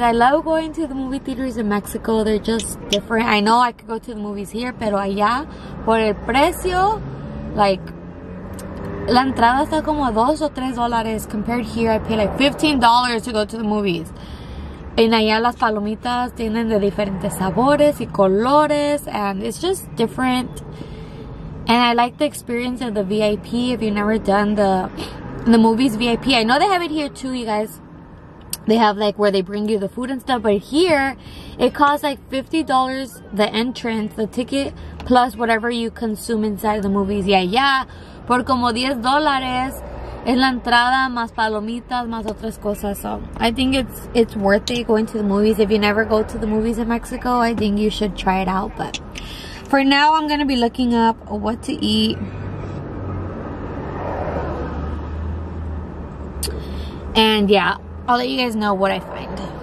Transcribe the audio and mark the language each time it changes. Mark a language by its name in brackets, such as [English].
[English] I love going to the movie theaters in Mexico. They're just different. I know I could go to the movies here, [Spanish] pero allá, por el precio, [English] like, [Spanish] la entrada está como [English] $2 or $3. Compared here, I pay like $15 to go to the movies. [Spanish] En allá las palomitas tienen de diferentes sabores y colores. [English] And it's just different. And I like the experience of the VIP. If you've never done the movies VIP, I know they have it here too, you guys. They have like where they bring you the food and stuff. But here, it costs like $50 the entrance, the ticket, plus whatever you consume inside the movies. Yeah, yeah. [Spanish] Por como $10 es la entrada, más palomitas, más otras cosas. [English] So I think it's worth it going to the movies. If you never go to the movies in Mexico, I think you should try it out. But for now, I'm going to be looking up what to eat. And yeah, I'll let you guys know what I find.